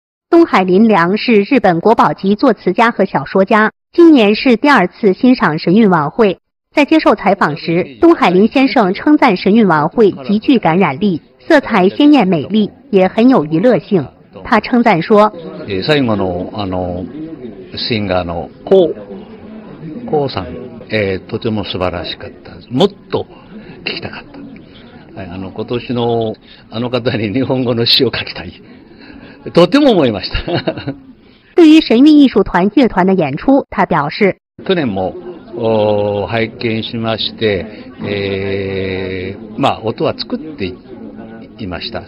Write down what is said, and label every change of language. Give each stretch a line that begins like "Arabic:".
Chinese: 东海麟良是日本国宝级作词家和小说家，今年是第二次欣赏神韵晚会。在接受采访时，东海麟先生称赞神韵晚会极具感染力，色彩鲜艳美丽，也很有娱乐性。他称赞说，
Japanese: 最後のあのシンガーのコウ、コウさん、とても素晴らしかった。もっと聞きたかった。あの今年のあの方に日本語の詩を書きたい。とても思いました。
Chinese: 对于神韵艺术团乐团的演出，他表示，
Japanese: 去年も拝見しまして、まあ音は作っていって。いました。